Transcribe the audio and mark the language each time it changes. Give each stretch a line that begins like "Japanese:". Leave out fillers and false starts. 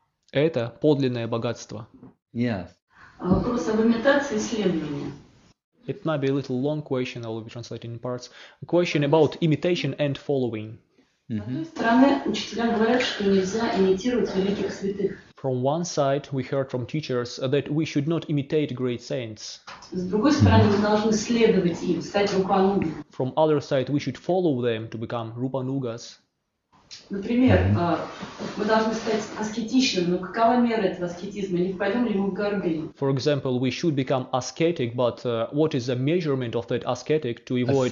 Russian: Это подлинное богатство.
English: Yes.
Russian: Вопрос об имитации следования.
English: It might be a little long question, I'll be translating in parts. A question about imitation and following.
Russian: С одной стороны, учителя говорят, что нельзя имитировать великих святых.
English: From one side, we heard from teachers that we should not imitate great saints. From other side, we should follow them to become Rupanugas.
Russian: Например, мы должны стать аскетичными, но какова мера этого аскетизма? Не впадем ли мы в гордыню?
English: For example, we should become ascetic, but what is the measurement of that ascetic to avoid